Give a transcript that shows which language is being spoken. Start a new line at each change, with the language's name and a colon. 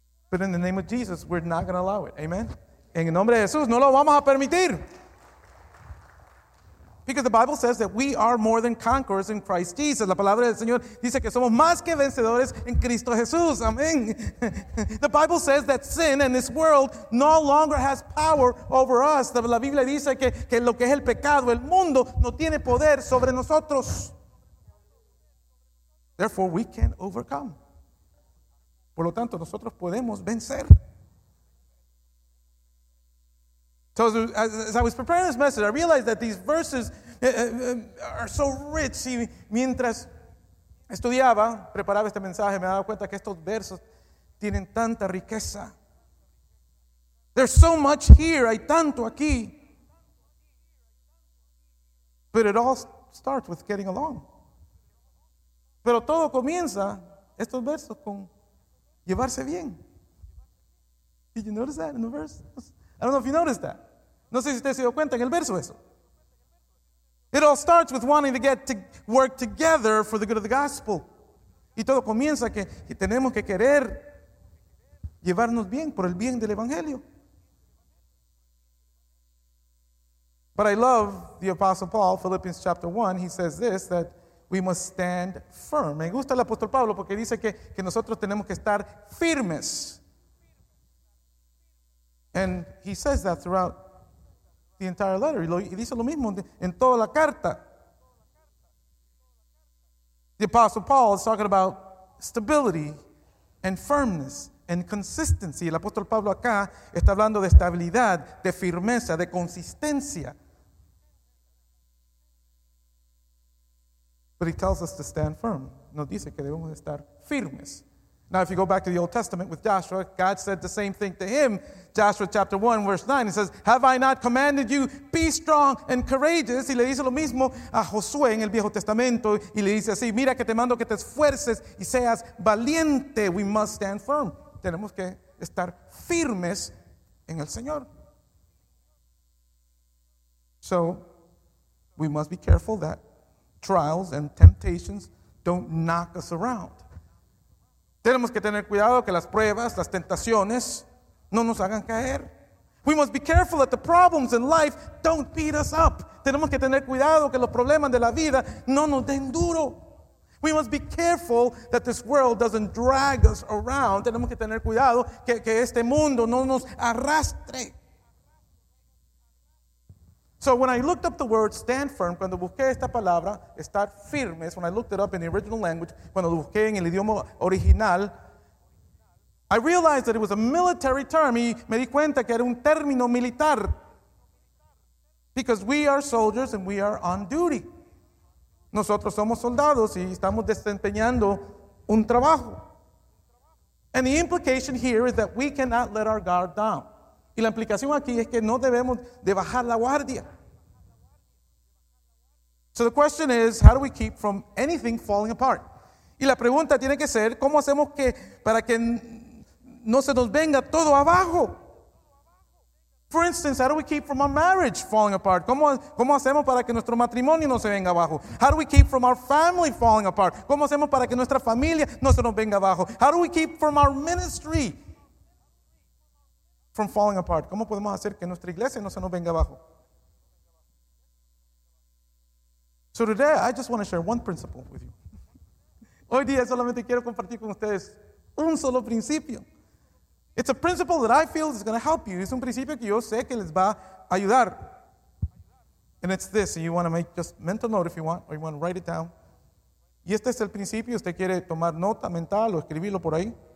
English: But in the name of Jesus, we're not going to allow it. Amen?
Spanish: En el nombre de Jesús, no lo vamos a permitir.
English: Because the Bible says that we are more than conquerors in Christ Jesus.
Spanish: La palabra del Señor dice que somos más que vencedores en Cristo Jesús. Amén.
English: The Bible says that sin and this world no longer has power over us.
Spanish: La Biblia dice que lo que es el pecado, el mundo, no tiene poder sobre nosotros.
English: Therefore, we can overcome.
Spanish: Por lo tanto, nosotros podemos vencer.
English: So as I was preparing this message, I realized that these verses are so rich.
Spanish: Y mientras estudiaba, preparaba este mensaje, me daba cuenta que estos versos tienen tanta riqueza.
English: There's so much here,
Spanish: hay tanto aquí.
English: But it all starts with getting along.
Spanish: Pero todo comienza, estos versos, con llevarse bien.
English: Did you notice that in the verses? I don't know if you noticed that.
Spanish: No sé si usted se dio cuenta en el verso eso.
English: It all starts with wanting to get to work together for the good of the gospel.
Spanish: Y todo comienza que tenemos que querer llevarnos bien por el bien del evangelio.
English: But I love the Apostle Paul, Philippians chapter 1. He says this, that we must stand firm.
Spanish: Me gusta el apóstol Pablo porque dice que nosotros tenemos que estar firmes.
English: And he says that throughout the entire letter.
Spanish: He dice lo mismo en toda la carta.
English: The Apostle Paul is talking about stability and firmness and consistency.
Spanish: El apóstol Pablo acá está hablando de estabilidad, de firmeza, de consistencia.
English: But he tells us to stand firm.
Spanish: Nos dice que debemos estar firmes.
English: Now, if you go back to the Old Testament with Joshua, God said the same thing to him. Joshua chapter 1, verse 9, he says, have I not commanded you, be strong and courageous?
Spanish: Y le dice lo mismo a Josué en el Viejo Testamento. Y le dice así, mira que te mando que te esfuerces y seas valiente.
English: We must stand firm.
Spanish: Tenemos que estar firmes en el Señor.
English: So we must be careful that trials and temptations don't knock us around.
Spanish: Tenemos que tener cuidado que las pruebas, las tentaciones, no nos hagan caer.
English: We must be careful that the problems in life don't beat us up.
Spanish: Tenemos que tener cuidado que los problemas de la vida no nos den duro.
English: We must be careful that this world doesn't drag us around.
Spanish: Tenemos que tener cuidado que este mundo no nos arrastre.
English: So when I looked up the word stand firm,
Spanish: cuando busqué esta palabra, estar firmes,
English: when I looked it up in the original language,
Spanish: cuando lo busqué en el idioma original,
English: I realized that it was a military term.
Spanish: Y me di cuenta que era un término militar.
English: Because we are soldiers and we are on duty.
Spanish: Nosotros somos soldados y estamos desempeñando un trabajo.
English: And the implication here is that we cannot let our guard down.
Spanish: Y la implicación aquí es que no debemos de bajar la guardia.
English: So the question is, how do we keep from anything falling apart?
Spanish: Y la pregunta tiene que ser, ¿cómo hacemos que para que no se nos venga todo abajo?
English: For instance, how do we keep from our marriage falling apart?
Spanish: ¿Cómo hacemos para que nuestro matrimonio no se venga abajo?
English: How do we keep from our family falling apart?
Spanish: ¿Cómo hacemos para que nuestra familia no se nos venga abajo?
English: How do we keep from our ministry from falling apart?
Spanish: ¿Cómo podemos hacer que nuestra iglesia no se nos venga abajo?
English: So today, I just want to share one principle with you.
Spanish: Hoy día solamente quiero compartir con ustedes un solo principio.
English: It's a principle that I feel is going to help you.
Spanish: Es un principio que yo sé que les va a ayudar.
English: And it's this, and you want to make just mental note if you want, or you want to write it down.
Spanish: Y este es el principio, usted quiere tomar nota mental o escribirlo por ahí.